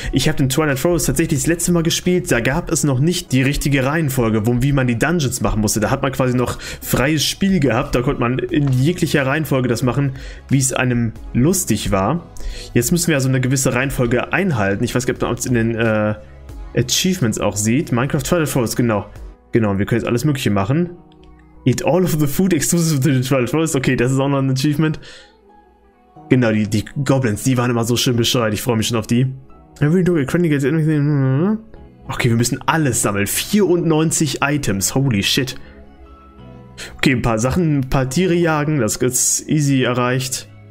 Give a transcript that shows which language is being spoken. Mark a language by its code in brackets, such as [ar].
[de] Ich habe den Twilight Forest tatsächlich das letzte Mal gespielt. Da gab es noch nicht die richtige Reihenfolge, wie man die Dungeons machen musste. Da hat man quasi noch freies Spiel gehabt. Da konnte man in jeglicher Reihenfolge das machen, wie es einem lustig war. Jetzt müssen wir also eine gewisse Reihenfolge einhalten. Ich weiß gar nicht, ob man es in den Achievements auch sieht. Minecraft Twilight Forest, genau. Genau, wir können jetzt alles Mögliche machen. [en] Eat all of the food exclusive to the Twilight Forest. [de] Okay, das ist auch noch ein Achievement. Genau, die Goblins, die waren immer so schön bescheuert. Ich freue mich schon auf die. Okay, wir müssen alles sammeln. 94 Items, [en] holy shit. [de] Okay, ein paar Sachen, ein paar Tiere jagen. Das ist easy erreicht.